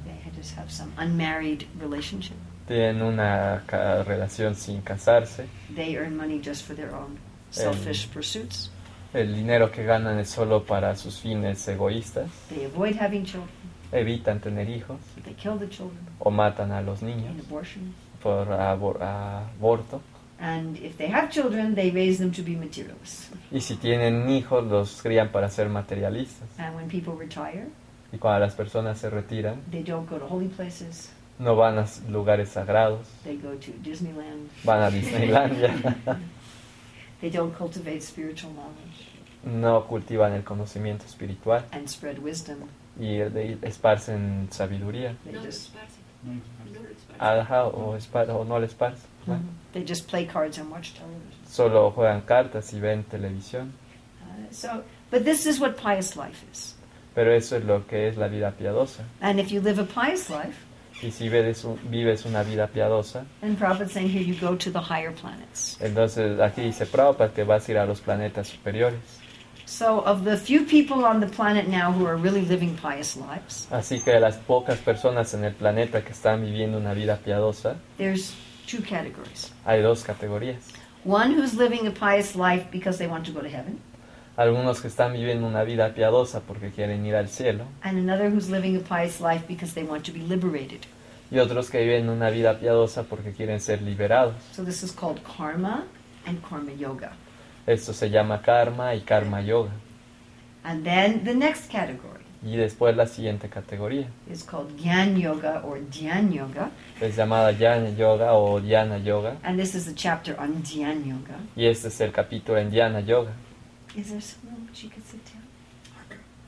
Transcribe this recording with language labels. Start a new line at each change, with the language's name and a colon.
English: They just have some unmarried relationship.
Spanish: Tienen una relación sin casarse.
English: They earn money just for their own selfish pursuits.
Spanish: El dinero que ganan es solo para sus fines egoístas.
English: They avoid having children.
Spanish: Evitan tener hijos.
English: They kill the children.
Spanish: O matan a los niños.
English: In abortion.
Spanish: Por aborto.
English: And if they have children, they raise them to be materialists.
Spanish: Y si tienen hijos, los crían para ser materialistas.
English: And when people retire,
Spanish: y cuando las personas se retiran,
English: they don't go to holy places.
Spanish: No van a lugares sagrados.
English: They go to Disneyland.
Spanish: Van a Disneylandia.
English: They don't cultivate spiritual knowledge.
Spanish: No cultivan el conocimiento espiritual.
English: And spread wisdom.
Spanish: Y esparcen sabiduría. No, esparcen. al hao o espada o no al espada.
English: They just play cards and watch television.
Spanish: Solo juegan cartas y ven televisión.
English: But this is what pious life is.
Spanish: Pero eso es lo que es la vida piadosa.
English: And if you live a pious life,
Spanish: y si vives una vida piadosa,
English: then Prabhupada's saying here you go to the higher planets.
Spanish: Entonces aquí dice Prabhupada que vas a ir a los planetas superiores.
English: So of the few people on the planet now who are really living pious lives,
Spanish: así que las pocas personas en el planeta que están viviendo una vida piadosa,
English: there's two categories.
Spanish: Hay dos categorías.
English: One who's living a pious life because they want to go to heaven.
Spanish: Algunos que están viviendo una vida piadosa porque quieren ir al cielo.
English: And another who's living a pious life because they want to be liberated.
Spanish: Y otros que viven una vida piadosa porque quieren ser liberados.
English: So this is called karma and karma yoga.
Spanish: Esto se llama karma y karma yoga.
English: And then the next category.
Spanish: Y después la siguiente categoría.
English: It's called Gyan Yoga or Dhyan Yoga.
Spanish: Es llamada Gyan Yoga o Dhyana Yoga.
English: And this is a chapter on Dhyan Yoga.
Spanish: Y este es el capítulo en Dhyana Yoga.
English: Is there someone she could sit down? Okay.